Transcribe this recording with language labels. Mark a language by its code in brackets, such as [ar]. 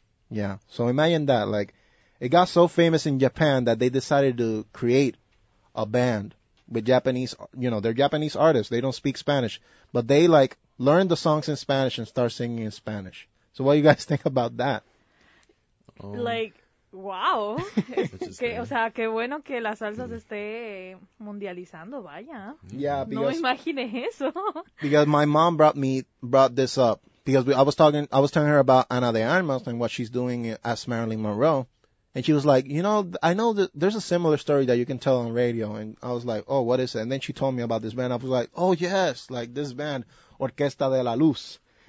[en] Yeah, so imagine that. Like, it got so famous in Japan that they decided to create a band with Japanese, you know, they're Japanese artists. They don't speak Spanish, but they, like, learn the songs in Spanish and start singing in Spanish. So what do you guys think about that? Like, wow. [es] Que, o sea, qué bueno que la salsa se esté mundializando, vaya. [en] Yeah, because... [es] No imagine eso. [en] Because my mom brought this up. Because I was telling her about Ana de Armas and what she's doing as Marilyn Monroe. And she was like, you know, I know that there's a similar story that you can tell on radio. And I was like, oh, what is it? And then she told me about this band. I was like, oh, yes, like this band, Orquesta de la Luz.